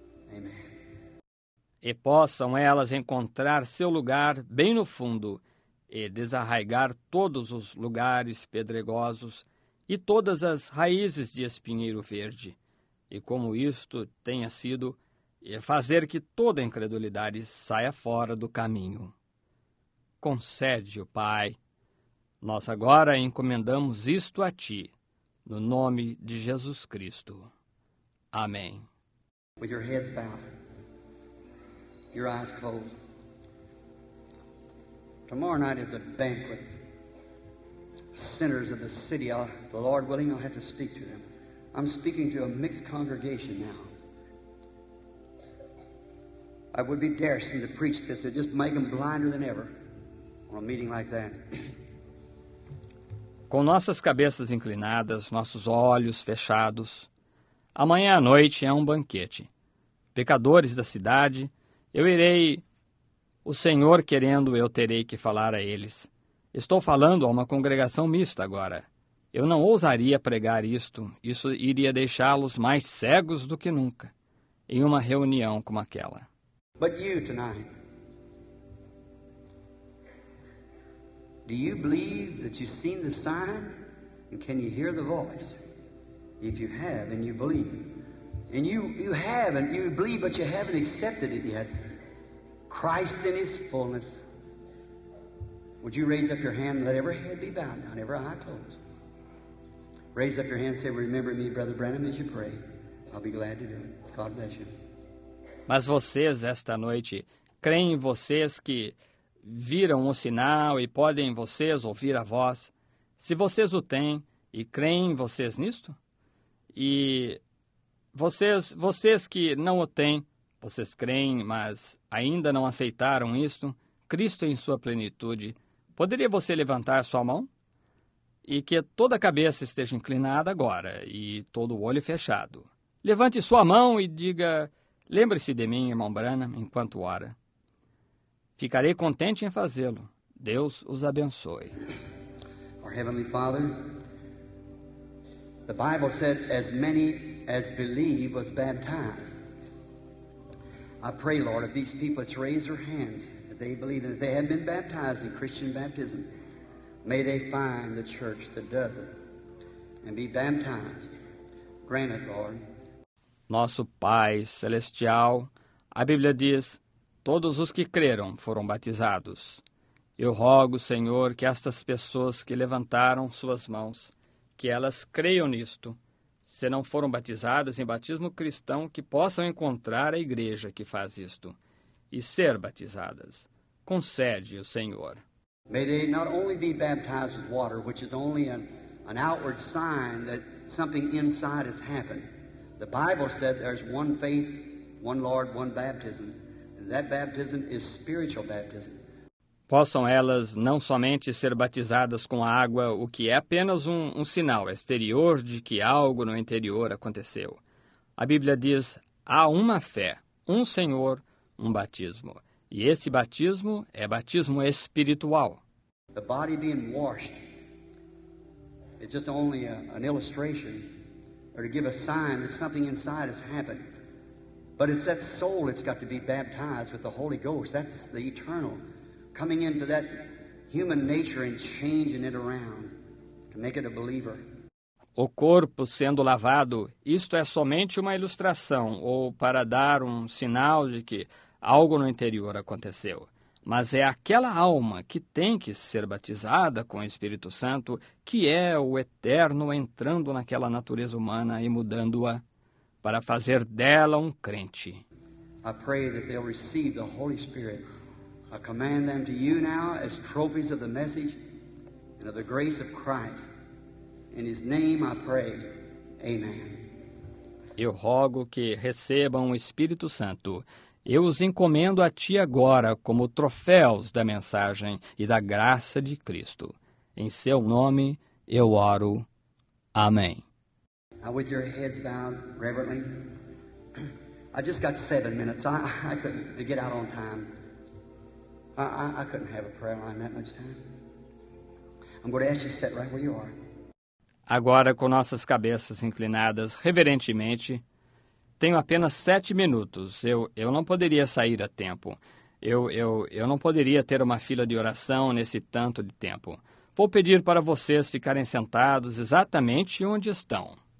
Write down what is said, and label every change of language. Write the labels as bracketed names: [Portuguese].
[English] Amen. [Portuguese] E possam elas encontrar seu lugar bem no fundo e desarraigar todos os lugares pedregosos e todas as raízes de espinheiro verde. E como isto tenha sido, e fazer que toda incredulidade saia fora do caminho. Concede-o, Pai. Nós agora encomendamos isto a Ti, no nome de Jesus Cristo. Amém. [English] With your heads bowed, your eyes closed. Tomorrow night is a banquet. Sinners of the city, the Lord willing, I'll have to speak to them. I'm speaking to a mixed congregation now. I would be daring to preach this. It'd just make them blinder than ever on a meeting like that. [Portuguese] Com nossas cabeças inclinadas, nossos olhos fechados, amanhã à noite é um banquete. Pecadores da cidade, eu irei, o Senhor querendo, eu terei que falar a eles. Estou falando a uma congregação mista agora. Eu não ousaria pregar isto. Isso iria deixá-los mais cegos do que nunca, em uma reunião como aquela. [English] But you tonight, do you believe that you've seen the sign and can you hear the voice? If you have and you believe, and you have and you believe but you haven't accepted it yet, Christ in His fullness, would you raise up your hand and let every head be bowed now and every eye closed? Raise up your hand and say, remember me, Brother Branham, as you pray. I'll be glad to do it. God bless you. [Portuguese] Mas vocês, esta noite, creem vocês que viram o sinal e podem vocês ouvir a voz? Se vocês o têm e creem vocês nisto? E vocês que não o têm, vocês creem, mas ainda não aceitaram isto, Cristo em sua plenitude, poderia você levantar sua mão? E que toda a cabeça esteja inclinada agora e todo o olho fechado. Levante sua mão e diga, lembre-se de mim, irmão Branham, enquanto ora. Ficarei contente em fazê-lo. Deus os abençoe. [English] Our Heavenly Father, the Bible said, as many as believe was baptized. I pray, Lord, if these people that's raised their hands, that they believe that they have been baptized in Christian baptism, may they find the church that does it and be baptized. Grant it, Lord. [Portuguese] Nosso Pai Celestial, a Bíblia diz, todos os que creram foram batizados. Eu rogo, Senhor, que estas pessoas que levantaram suas mãos, que elas creiam nisto. Se não foram batizadas em batismo cristão, que possam encontrar a igreja que faz isto e ser batizadas. Concede, o Senhor. [English] May they not only be baptized with water, which is only an outward sign that something inside has happened. The Bible said there's one faith, one Lord, one baptism. And that baptism is spiritual baptism. [Portuguese] Possam elas não somente ser batizadas com a água, o que é apenas um sinal exterior de que algo no interior aconteceu. A Bíblia diz, há uma fé, um Senhor, um batismo. E esse batismo é batismo espiritual. [English] The body being washed, it's just only an illustration or to give a sign that something inside has happened. But it's that soul that's got to be baptized with the Holy Ghost. That's the eternal coming into that human nature and changing it around to make it a believer. [Portuguese] O corpo sendo lavado, isto é somente uma ilustração ou para dar um sinal de que algo no interior aconteceu. Mas é aquela alma que tem que ser batizada com o Espírito Santo que é o eterno entrando naquela natureza humana e mudando-a para fazer dela um crente. [English] I pray that they'll receive the Holy Spirit. I command them to you now as trophies of the message and of the grace of Christ. In His name I pray. Amen. [Portuguese] Eu rogo que recebam o Espírito Santo. Eu os encomendo a ti agora como troféus da mensagem e da graça de Cristo. Em seu nome eu oro. Amém. [English] Now with your heads bowed reverently, I just got 7 minutes. I couldn't get out on time. I couldn't have a prayer line that much time. I'm going to ask you to sit right where you are. [Portuguese] Agora, com nossas cabeças inclinadas reverentemente, tenho apenas 7 minutos. Eu não poderia sair a tempo. Eu não poderia ter uma fila de oração nesse tanto de tempo. Vou pedir para vocês ficarem sentados exatamente onde estão.